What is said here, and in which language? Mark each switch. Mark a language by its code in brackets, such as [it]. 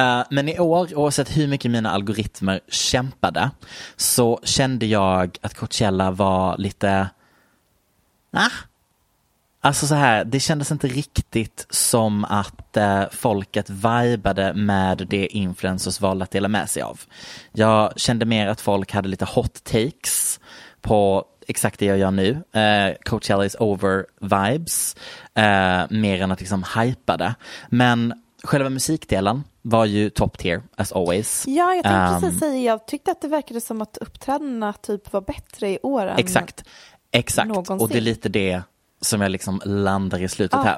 [sv] Men i år, oavsett hur mycket mina algoritmer kämpade, så kände jag att Coachella var lite... Alltså så här, det kändes inte riktigt som att folket vibade med det influencers valde att dela med sig av. Jag kände mer att folk hade lite hot takes på exakt det jag gör nu. [en] Coachella is over vibes. [sv] Mer än att liksom hypa det. Men själva musikdelen var ju [en] top tier, as always. [sv] Ja, jag tänkte precis säga, jag tyckte att det verkade som att uppträdena typ var bättre i år än exakt. Exakt, någonsin. Och det är lite det som jag liksom landar i slutet här.